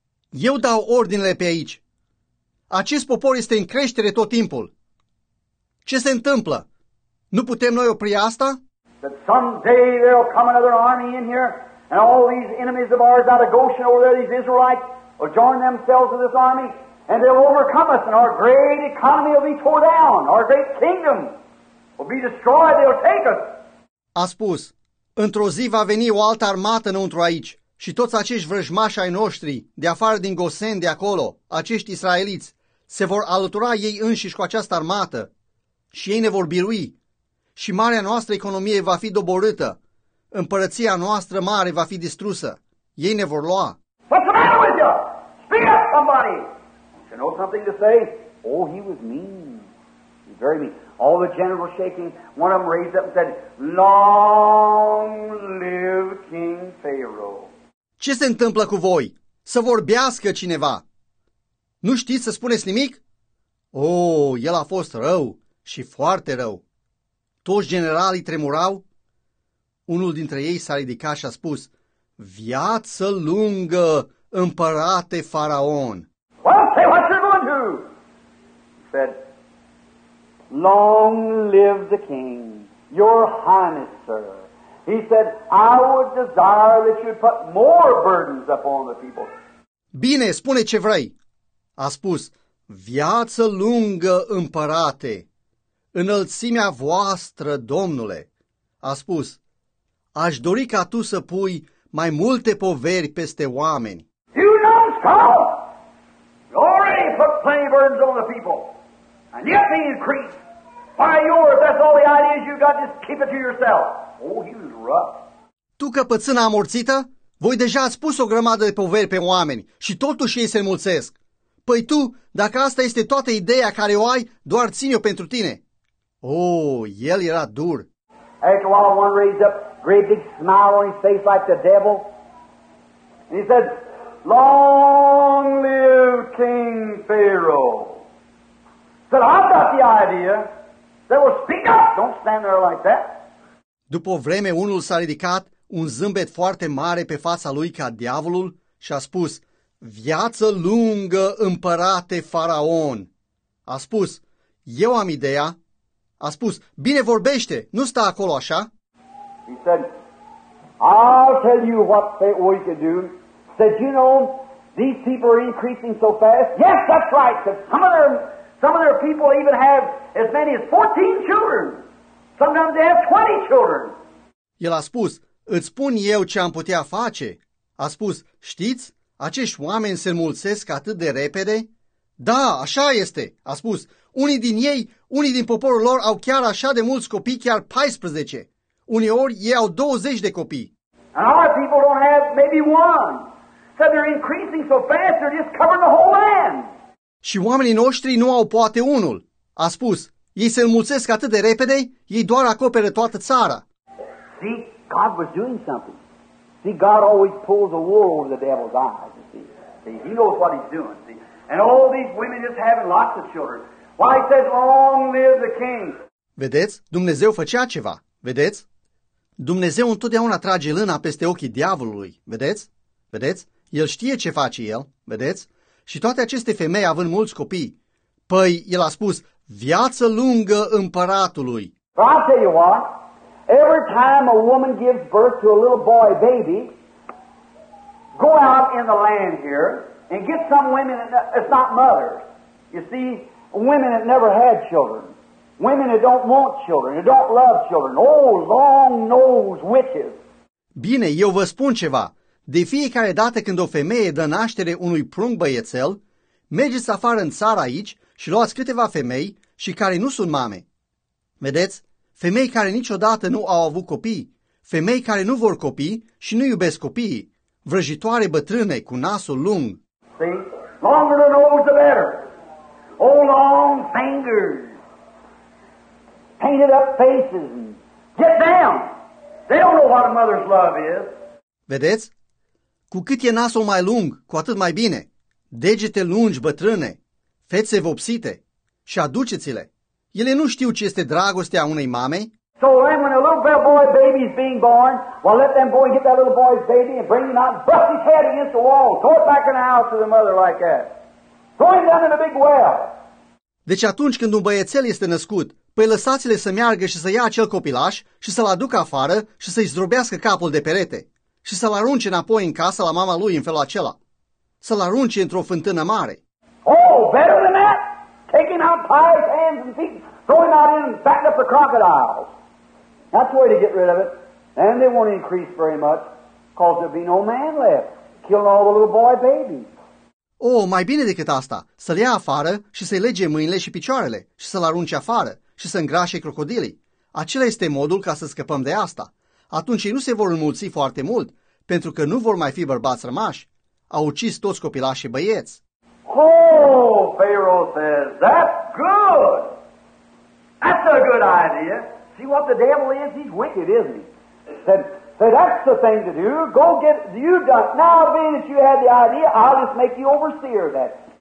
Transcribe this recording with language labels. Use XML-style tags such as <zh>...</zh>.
<ro>Eu dau ordinele pe aici. Acest popor este în creștere tot timpul. Ce se întâmplă? Nu putem noi opri asta?</ro> <en>That someday there will come another army in here and all these enemies of ours out of Goshen over there, these Israelites, will join themselves to this army And they'll overcome us, and our great economy will be torn down. Our great kingdom will be destroyed. They'll take us.</en> <ro>A spus, într-o zi va veni o altă armată înăuntru aici și toți acești vrăjmași ai noștri, de afară din Gosen, de acolo, acești israeliți, se vor alătura ei înșiși cu această armată și ei ne vor birui și marea noastră economie va fi doborâtă, împărăția noastră mare va fi distrusă, ei ne vor lua.</ro> <en>What's the matter with you? Speak up, somebody! Don't you know something to say? Oh, he was mean. He was very mean. All the generals shaking, one of them raised up and said, Long live King Pharaoh!</en> <ro>Ce se întâmplă cu voi? Să vorbească cineva! Nu știți să spuneți nimic? Oh, el a fost rău și foarte rău. Toți generalii tremurau. Unul dintre ei s-a ridicat și a spus, Viață lungă, împărate faraon!</ro> <en>Well, say what you're going to! He said, Long live the king, your highness, sir. He said, I would desire that you'd put more burdens upon the people.</en> <ro>Bine, spune ce vrei! A spus, viață lungă, împărate, înălțimea voastră, domnule, a spus, aș dori ca tu să pui mai multe poveri peste oameni.</ro> <en>You numbskull! You already put plenty of burdens on the people, and yet they increase. Why yours, that's all the ideas you got, just keep it to yourself. Oh, he was rough.</en> <ro>Tu căpățâna amorțită, voi deja ați pus o grămadă de poveri pe oameni și totuși ei se înmulțesc. Păi tu, dacă asta este toată ideea care o ai, doar ține-o pentru tine. Oh, el era dur.</ro> <en>After a while, one raised up a great big smile on his face like the devil. And he said, Long live King Pharaoh. Said, I've got the idea. They will speak up. Don't stand there like that.</en> <ro>După o vreme, unul s-a ridicat, un zâmbet foarte mare pe fața lui ca diavolul și a spus, Viață lungă, împărate faraon! A spus, eu am ideea. A spus, bine vorbește, nu sta acolo așa.</ro> <en>He said, I'll tell you what we can do. Said, you know, these people are increasing so fast. Yes, that's right. Said, some of their people even have as many as 14 children. Sometimes they have 20 children.</en> <ro>El a spus, îți spun eu ce am putea face. A spus, știți? Acești oameni se înmulțesc atât de repede? Da, așa este, a spus. Unii din poporul lor au chiar așa de mulți copii, chiar 14. Uneori ei au 20 de copii.</ro> <en>And our people don't have maybe one. So they're increasing so fast, they're just covering the whole land.</en> <ro>Și oamenii noștri nu au poate unul, a spus. Ei se înmulțesc atât de repede, ei doar acoperă toată țara.</ro> <en>See, God was doing something. See, God always pulls the wool over the devil's eyes, you see. See, he knows what he's doing, see. And all these women just having lots of children. Why, he said, long live the king.</en> <ro>Vedeți? Dumnezeu făcea ceva. Vedeți? Dumnezeu întotdeauna trage lâna peste ochii diavolului. Vedeți? Vedeți? El știe ce face el. Vedeți? Și toate aceste femei având mulți copii. Păi, el a spus, viață lungă împăratului.</ro> <en>I'll tell you what. Every time a woman gives birth to a little boy baby, go out in the land here and get some women that's not mothers. You see, women that never had children, women that don't want children, that don't love children. Oh, long-nosed witches!</en> <ro>Bine, eu vă spun ceva. De fiecare dată când o femeie dă naștere unui prunc băiețel, mergeți afară în țară aici și luați câteva femei și care nu sunt mame. Vedeți? Femei care niciodată nu au avut copii, femei care nu vor copii și nu iubesc copiii, vrăjitoare bătrâne cu nasul lung.</ro> <en>See? Longer the nose the better. Oh, long fingers. Painted up faces. Get down. They don't know what a mother's love is.</en> <ro>Vedeți? Cu cât e nasul mai lung, cu atât mai bine. Degete lungi bătrâne, fețe vopsite și aduceți-le. Ele nu știu ce este dragostea unei mame.</ro> <en>So then when a little boy baby is being born, well let them boy get that little boy's baby and bring him out, bust his head against the wall, throw it back in the house to the mother like that. Throw him down in a big well.</en> <ro>Deci atunci când un băiețel este născut, păi lăsați-le să meargă și să ia acel copilaș și să-l aducă afară și să-i zdrobească capul de perete și să-l arunce înapoi în casă la mama lui în felul acela. Să-l arunce într-o fântână mare.</ro> <en>Oh, better than that? Taking out pies, hands, and feet, throwing out in and backing up the crocodiles. That's the way to get rid of it. And they won't increase very much, because there'll be no man left, killing all the little boy babies.</en> <ro>Oh, mai bine decât asta, să-l ia afară și să-i lege mâinile și picioarele și să-l arunce afară și să îngrașe crocodilii. Acela este modul ca să scăpăm de asta. Atunci ei nu se vor înmulți foarte mult, pentru că nu vor mai fi bărbați rămași. Au ucis toți copilași și băieți.</ro> <en>Oh, Pharaoh says, that's good! That's a good idea! See what the devil is? He's wicked, isn't he? Said, that's the thing to do. Go get you done. Now, being that you had the idea, I'll just make you overseer that.</en>